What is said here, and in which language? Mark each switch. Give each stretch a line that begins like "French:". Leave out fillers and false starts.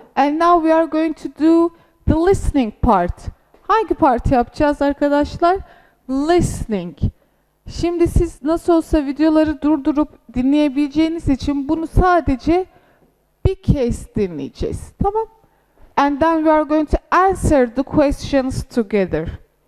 English: And now we are going to do the listening part.
Turkish: Hangi part yapacağız arkadaşlar? Listening. Şimdi siz nasıl olsa videoları durdurup dinleyebileceğiniz için bunu sadece bir kez dinleyeceğiz. Tamam?
English: And then we are going to answer the questions together.